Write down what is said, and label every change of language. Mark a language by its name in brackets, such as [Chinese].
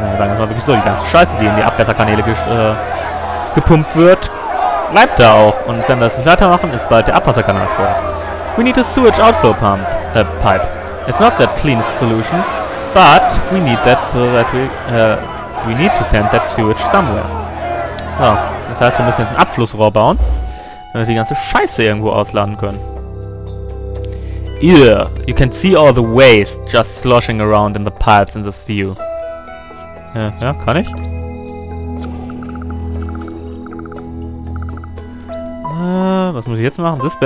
[German] sagen wir mal wirklich so, die ganze Scheiße, die in die Abwässerkanäle gepumpt wird, bleibt da auch. Und wenn wir es nicht weitermachen, ist bald der Abwasserkanal voll. [English] We need a sewage outflow pump, pipe. It's not the cleanest solution, but we need that so that we need to send that sewage somewhere. [German] Oh, das heißt, wir müssen jetzt ein Abflussrohr bauen, damit wir die ganze Scheiße irgendwo ausladen können. [English] Yeah, you can see all the waste just sloshing around in the pipes in this view. [German] Ja, kann ich? Was muss ich jetzt machen?